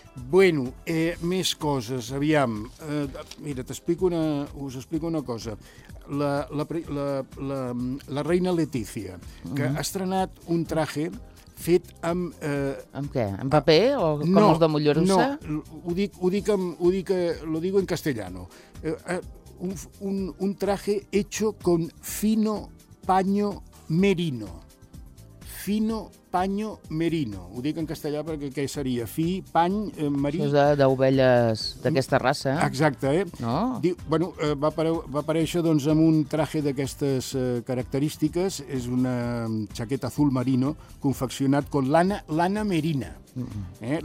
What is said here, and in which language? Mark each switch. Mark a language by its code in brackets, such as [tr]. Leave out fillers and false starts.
[ca] Bueno, més coses, aviam. Mira, us explico una cosa. La reina Letícia, que ha estrenat un traje fet amb... Amb què? Amb paper? O com no, els de Mollerussa? No, ho dic en castellano. [es] Un traje hecho con fino paño merino. Fino paño merino. [ca] Ho dic en castellà perquè què seria? Fi, pany, merino. Això és d'ovelles d'aquesta raça. Exacte, eh? No? Va aparèixer doncs, amb un traje d'aquestes característiques. És una jaqueta azul merino confeccionat [es] con lana merina. [ca] Mm-hmm.